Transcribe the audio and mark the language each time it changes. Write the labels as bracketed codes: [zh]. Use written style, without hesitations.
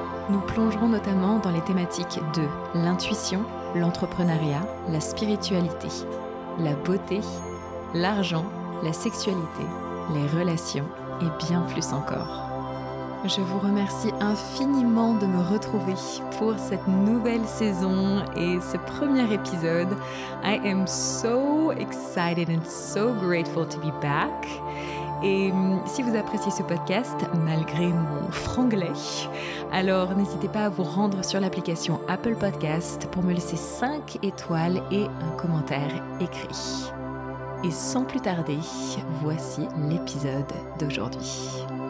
[fr] Nous plongerons notamment dans les thématiques de l'intuition, l'entrepreneuriat, la spiritualité, la beauté, l'argent, la sexualité, les relations et bien plus encore. Je vous remercie infiniment de me retrouver pour cette nouvelle saison et ce premier épisode. [en] I am so excited and so grateful to be back. [fr] Et si vous appréciez ce podcast, malgré mon franglais, alors n'hésitez pas à vous rendre sur l'application Apple Podcast pour me laisser 5 étoiles et un commentaire écrit. Et sans plus tarder, voici l'épisode d'aujourd'hui.